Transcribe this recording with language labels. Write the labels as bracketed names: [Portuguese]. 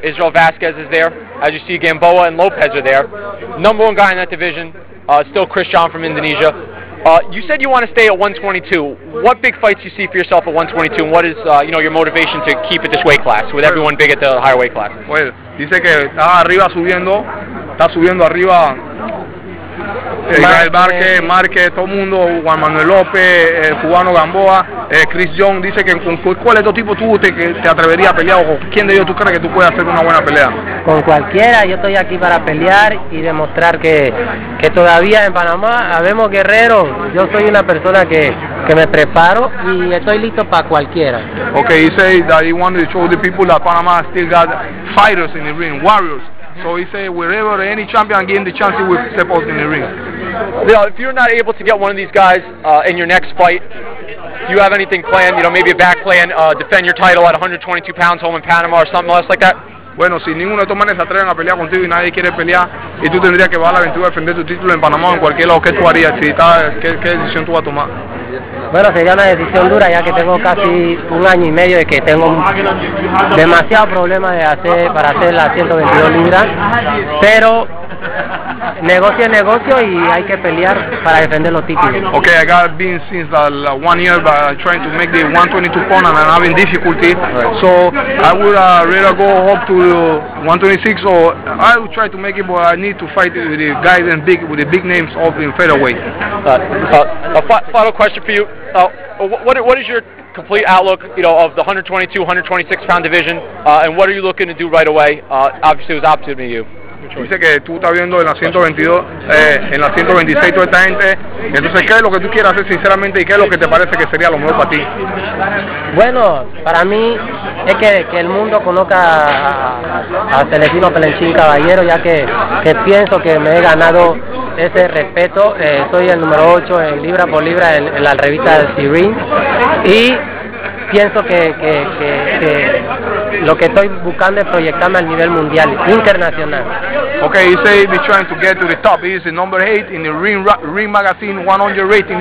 [English] Israel Vasquez is there. As you see, Gamboa and Lopez are there. Number one guy in that division, still Chris John from Indonesia. You said you want to stay at 122. What big fights you see for yourself at 122, and what is you know, your motivation to keep at this weight class with everyone big at the higher weight classes? [Spanish] Well, dice que está subiendo arriba. Gael Barque, Márquez, todo mundo, Juan Manuel López, cubano Gamboa, Chris Young, dice que con cuál otro tipo tú te atreverías a pelear, o quién de ellos tú crees que tú puedes hacer una buena pelea. Con cualquiera, yo estoy aquí para pelear y demostrar que todavía en Panamá habemos guerreros. Yo soy una persona que me preparo y estoy listo para cualquiera. [English] Okay, he said that he wanted to show the people that Panama still got fighters in the ring, warriors. So he said, wherever any champion gain the chance, he will step out in the ring. You know, if you're not able to get one of these guys in your next fight, do you have anything planned? You know, maybe a back plan, defend your title at 122 pounds home in Panama or something else like that? [Spanish] Bueno, si ninguno de estos manes se atreven a pelear contigo y nadie quiere pelear, y tú tendrías que bajar a la 22 a defender tu título en Panamá o en cualquier lado, ¿qué tú harías? ¿Qué decisión tú vas a tomar? Bueno, sería una decisión dura, ya que tengo casi un año y medio de que tengo demasiado problema para hacer la 122 libras, pero negocio es negocio y hay que pelear para defender los títulos. [English] Okay, I got been since one year by trying to make the 122 pound and I'm having difficulty. So I would rather go up to 126, or I would try to make it, but I need to fight with the guys and big with the big names of the featherweight. Final question for you. What is your complete outlook, you know, of the 122, 126 pound division, and what are you looking to do right away? Obviously, it was opposite to you. [Spanish] Dice que tú estás viendo en la 122, en la 126 toda esta gente. Entonces, ¿qué es lo que tú quieres hacer sinceramente y qué es lo que te parece que sería lo mejor para ti? Bueno, para mí es que el mundo conozca a Celestino Pelenchín Caballero, ya que pienso que me he ganado ese respeto. Soy el número 8 en libra por libra en la revista Sirin. Y pienso que lo que estoy buscando es proyectarme al nivel mundial, internacional. [English] Okay, he said he's trying to get to the top. He's the number 8 in the Ring Magazine 100 rating.